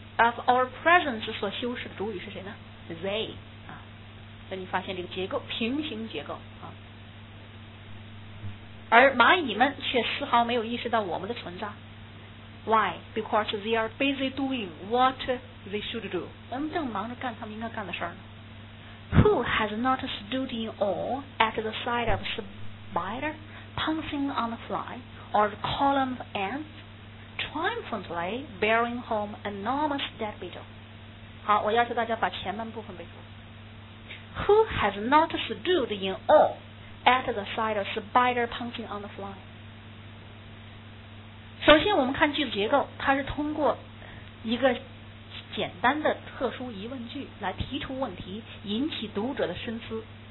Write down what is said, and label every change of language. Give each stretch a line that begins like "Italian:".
English: Of our presence
Chinese: 所修饰的主语是谁呢 ？They 啊，那你发现这个结构平行结构啊，而蚂蚁们却丝毫没有意识到我们的存在。Why?
English: Because they are busy doing what they should do.
Chinese: 他们正忙着干他们应该干的事儿呢。
English: Who has not stood in awe at the sight of a spider pouncing on a fly or a column of ants? Triumphantly bearing home enormous dead beetle.
Chinese: 好，我要求大家把前半部分背熟。
English: Who has not stood in awe at the sight of spider pouncing on the fly?
Chinese: 首先，我们看句子结构，它是通过一个简单的特殊疑问句来提出问题，引起读者的深思。